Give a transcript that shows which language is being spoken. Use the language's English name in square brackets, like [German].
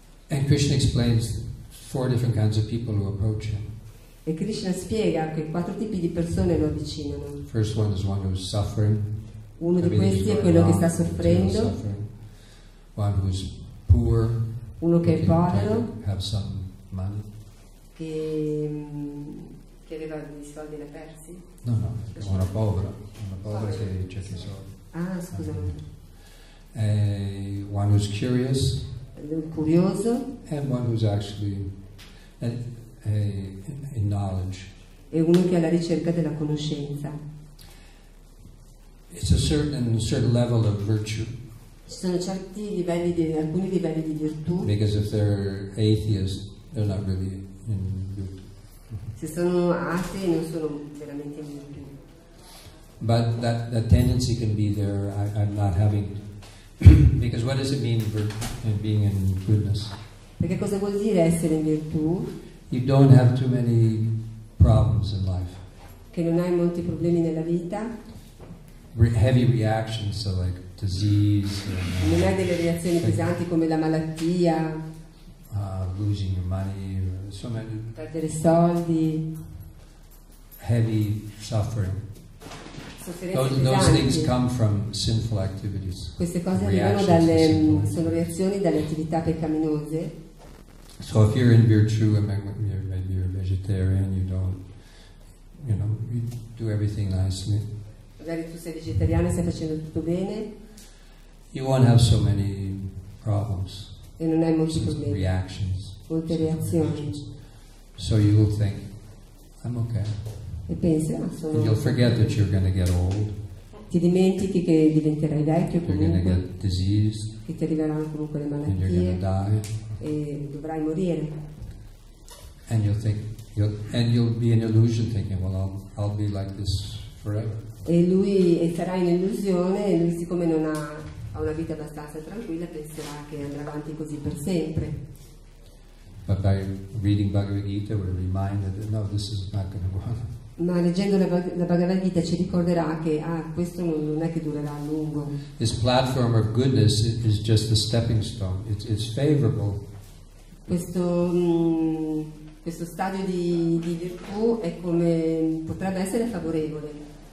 [English] And Krishna explains four different kinds of people who approach him. [Italian] E Krishna spiega che quattro tipi di persone lo avvicinano. [English] First one is one who is suffering. [Italian] Uno di questi è quello che sta soffrendo. [English] One who is poor. [Italian] Uno che è povero. [English] Have some money. [Italian] Che aveva dei soldi da persi. No, una povera. Una povera che cerca i soldi. Ah, scusa. [English] One who is curious. [Italian] Curioso. [English] And one who's actually in knowledge. [Italian] E uno che è alla ricerca della conoscenza. [English] It's a certain level of virtue. [Italian] Ci sono certi livelli alcuni livelli di virtù. [English] Because if they're atheists, they're not really in virtue. [Italian] Se sono atei non sono veramente in virtù. [English] But that tendency can be there. I'm not having. Because what does it mean being in goodness? [Italian] Perché cosa vuol dire essere in virtù? [English] You don't have too many problems in life. [Italian] Che non hai molti problemi nella vita. [English] Heavy reactions, so like disease. [Italian] Non hai delle reazioni pesanti come la malattia. [English] Losing your money, so many. [Italian] Perdere soldi. [English] Heavy suffering. Those things come from sinful activities. [Italian] Queste cose arrivano dalle sono reazioni dalle attività peccaminose. [English] So if you're in virtue, maybe you're a vegetarian, you don't, you know, you do everything nicely. [Italian] Magari tu sei vegetariano e stai facendo tutto bene. [English] You won't have so many problems. [Italian] E non hai molti problemi. [English] Reactions. [Italian] Molte reazioni. [English] So you will think, I'm okay. [Italian] E pensi, ah, [English] and you'll forget that you're going to get old. [Italian] Ti dimentichi che diventerai vecchio. [English] You're going to get diseased. [Italian] Che ti arriveranno comunque le malattie. [English] And you're going to die. [Italian] E dovrai morire. [English] And you'll think, you'll be in illusion, thinking, well, I'll be like this forever. [Italian] E lui sarà in illusione. E lui, siccome non ha una vita abbastanza tranquilla, penserà che andrà avanti così per sempre. [English] But by reading Bhagavad Gita, we're reminded that no, this is not going to work. [Italian] Ma leggendo la Bhagavad Gita ci ricorderà che questo non è che durerà a lungo. [English] This platform of goodness is just the stepping stone. It's favorable. [Italian] Questo stadio di virtù è come potrebbe essere favorevole.